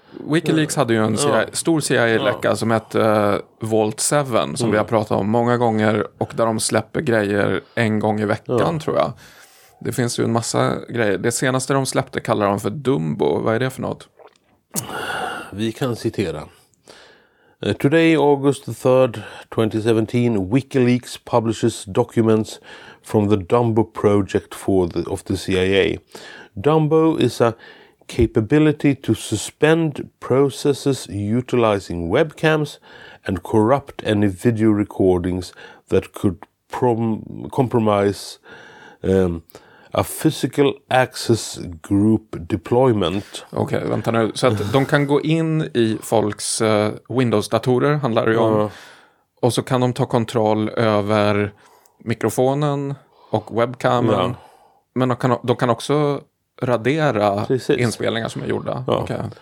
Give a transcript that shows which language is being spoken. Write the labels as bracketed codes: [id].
[sv] WikiLeaks hade ju en stor CIA-läcka som hette Vault 7 som vi har pratat om många gånger och där de släpper grejer en gång i veckan tror jag. Det finns ju en massa grejer. Det senaste de släppte kallar de för Dumbo. Vad är det för något? Vi kan citera. [en] Today, August 3rd, 2017, WikiLeaks publishes documents from the Dumbo project of the CIA. Dumbo is a capability to suspend processes utilizing webcams and corrupt any video recordings that could compromise a physical access group deployment. [sv] Okej, vänta nu. Så att de kan gå in i folks Windows-datorer, handlar det om. Och så kan de ta kontroll över mikrofonen och webcamen. Ja. Men de kan också radera inspelningar som är gjorda. Ja. Okay.